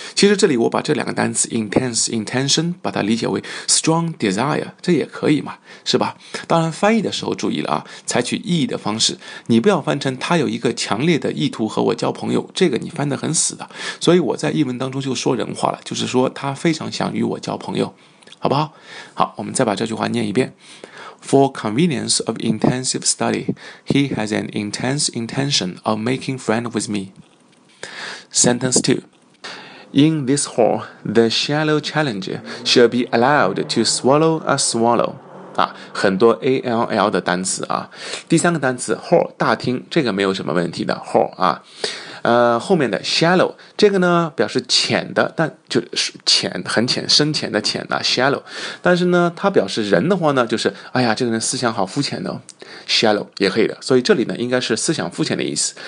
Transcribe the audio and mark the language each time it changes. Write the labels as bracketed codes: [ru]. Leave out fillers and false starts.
[zh] 其实这里我把这两个单词 [en] intense intention [zh] 把它理解为 [en] strong desire， [zh] 这也可以嘛，是吧？当然翻译的时候注意了啊，采取意义的方式，你不要翻成他有一个强烈的意图和我交朋友，这个你翻得很死的，所以我在译文当中就说人话了，就是说他非常想与我交朋友，好不好？好，我们再把这句话念一遍。 [en] For convenience of intensive study, he has an intense intention of making friend with meSentence 2. In this hall, the shallow challenger shall be allowed to swallow a swallow. [zh] 啊、很多 ALL 的单词、啊、第三个单词 hall 大厅，这个没有什么问题的 hall、啊后面的 shallow 这个呢表示浅的，但就是浅很浅深浅的浅、啊、shallow， 但是呢它表示人的话呢就是哎呀这个人思想好肤浅的、哦、shallow 也可以的，所以这里呢应该是思想肤浅的意思。